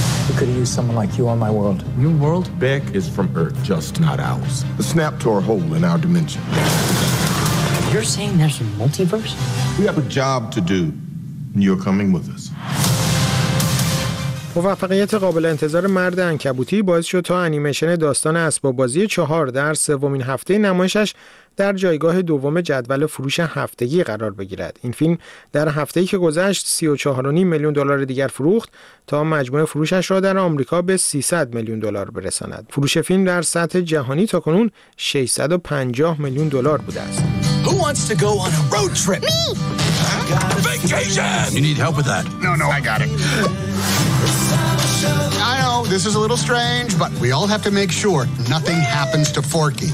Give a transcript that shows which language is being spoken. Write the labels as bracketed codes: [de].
[en] We could use someone like you on my world. Your world? Beck is from Earth, just not ours. A snap to our hole in our dimension. You're saying there's a multiverse? We have a job to do, and you're coming with us. [fa] موفقیت قابل انتظار مرد عنکبوتی باعث شد تا انیمیشن داستان اسباب‌بازی 4 در سومین هفته نمایشش در جایگاه دوم جدول فروش هفتگی قرار بگیرد. این فیلم در هفته‌ای که گذشت 34.5 میلیون دلار دیگر فروخت تا مجموع فروشش را در آمریکا به 300 میلیون دلار برساند. فروش فیلم در سطح جهانی تاکنون 650 میلیون دلار بوده است. [en] Who wants to go on a road trip? Me. Vacation. You need help with that? No, I got it. I know this is a little strange, but we all have to make sure nothing happens to Forky.